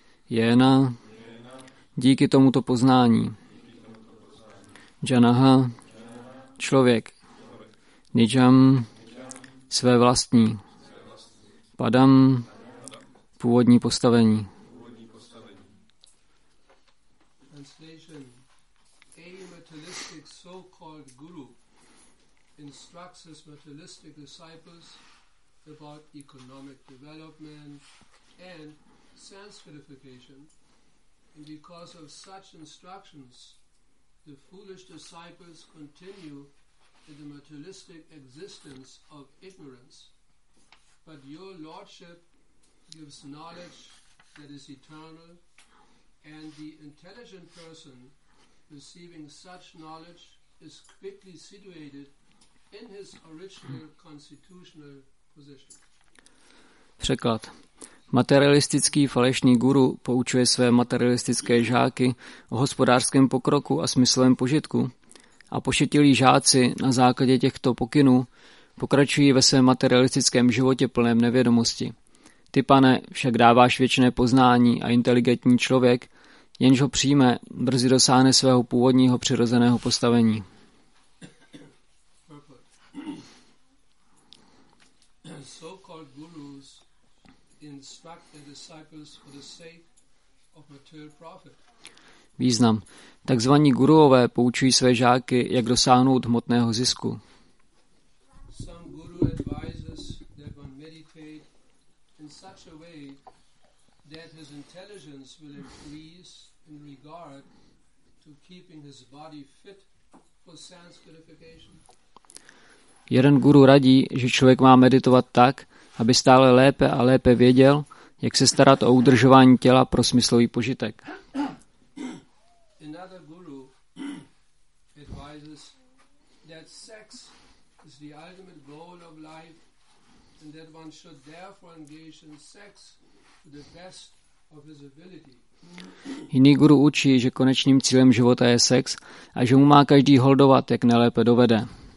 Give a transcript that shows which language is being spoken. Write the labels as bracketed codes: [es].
[cs] Jena díky tomuto poznání. Janaha člověk. Nijam své vlastní. Padam původní postavení. [en] Translation. A materialistic so-called guru instructs his materialistic disciples about economic development and sanctification. And because of such instructions, the foolish disciples continue in the materialistic existence of ignorance. But your lordship gives knowledge that is eternal, and the intelligent person receiving such knowledge is quickly situated in his original constitutional position. [cs] Překlad. Materialistický falešný guru poučuje své materialistické žáky o hospodářském pokroku a smyslem požitku a pošetilí žáci na základě těchto pokynů pokračují ve svém materialistickém životě plném nevědomosti. Ty, pane, však dáváš věčné poznání a inteligentní člověk, jenž ho přijme, brzy dosáhne svého původního přirozeného postavení. [en] So-called gurus instruct their disciples for the sake of material profit. [cs] Význam. Takzvaní guruové poučují své žáky, jak dosáhnout hmotného zisku. [en] Some guru advises that one meditate in such a way that his intelligence will increase in regard to keeping his body fit for sense purification. [cs] Jeden guru radí, že člověk má meditovat tak, aby stále lépe a lépe věděl, jak se starat o udržování těla pro smyslový požitek. [en] Another guru advises that sex is the ultimate goal of life and that one should therefore engage in sex to the best of his ability. [cs] Jiný guru učí, že konečným cílem života je sex a že mu má každý holdovat, jak nejlépe dovede.